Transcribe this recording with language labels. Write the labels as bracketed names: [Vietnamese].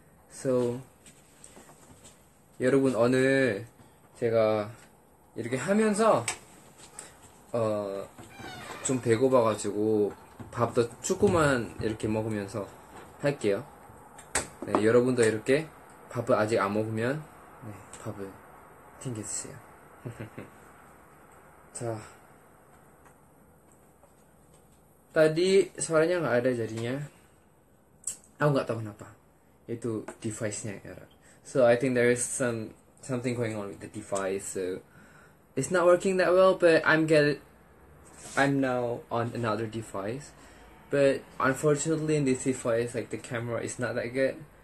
[Korean] So 여러분 오늘 제가 이렇게 하면서 좀 배고파가지고 밥도 조금만 이렇게 먹으면서 할게요. 네, 여러분도 이렇게. 밥을 아직 안 먹으면 네, 밥을 튕겨주세요. [Indonesian] 자, 다디 suaranya nggak ada jadinya. Aku nggak tahu kenapa. Itu device-nya error. [English] So I think there is something going on with the device. So it's not working that well. But I'm now on another device. But unfortunately, in this device, like the camera is not that good.